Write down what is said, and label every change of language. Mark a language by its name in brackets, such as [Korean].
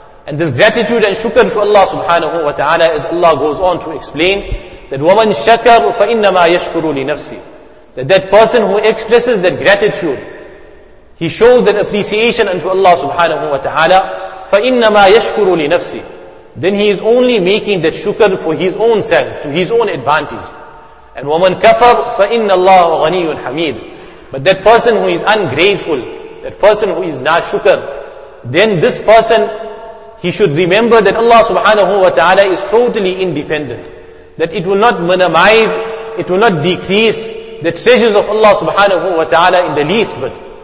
[English] And this gratitude and shukr to Allah subhanahu wa ta'ala, as Allah goes on to explain, that [Arabic] وَمَنْ شَكَرُ فَإِنَّمَا يَشْكُرُ لِنَفْسِهِ. [English] That person who expresses that gratitude, he shows that appreciation unto Allah subhanahu wa ta'ala, [Arabic] فَإِنَّمَا يَشْكُرُ لِنَفْسِهِ. [English] Then he is only making that shukr for his own self, to his own advantage. [Arabic] And وَمَنْ كَفَرُ فَإِنَّ اللَّهُ غَنِيٌّ حَمِيدٌ. [English] But that person who is ungrateful, that person who is not shukr, then this person, he should remember that Allah subhanahu wa ta'ala is totally independent. That it will not minimize, it will not decrease the treasures of Allah subhanahu wa ta'ala in the least bit.